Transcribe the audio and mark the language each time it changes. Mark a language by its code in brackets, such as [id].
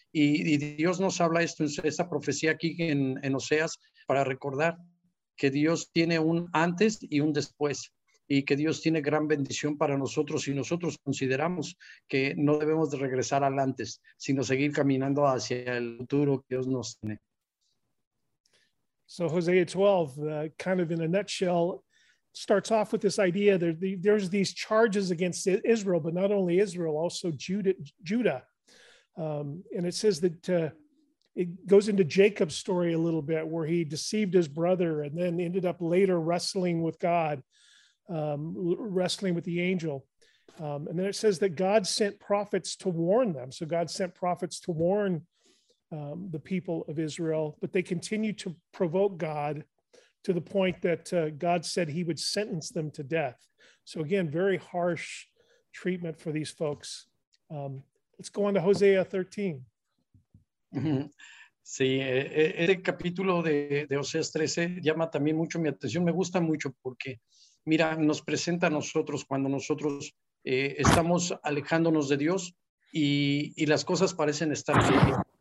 [es] Y Dios nos habla esto, esta profecía aquí en Oseas, para recordar que Dios tiene un antes y un después. Y que Dios tiene gran bendición para nosotros. Y nosotros consideramos que no debemos de regresar al antes, sino seguir caminando hacia el futuro que Dios nos tiene. [en] So Hosea 12, kind of in a nutshell, starts off with this idea that there's these charges against Israel, but not only Israel, also Judah. And it says that it goes into Jacob's story a little bit, where he deceived his brother and then ended up later wrestling with God, wrestling with the angel. And then it says that God sent prophets to warn them. So God sent prophets to warn the people of Israel, but they continue to provoke God to the point that God said he would sentence them to death. So again, very harsh treatment for these folks. Let's go on to Hosea 13. [es] Sí, este capítulo de Oseas 13 llama también mucho mi atención. Me gusta mucho porque, mira, nos presenta a nosotros cuando nosotros estamos alejándonos de Dios y las cosas parecen estar bien.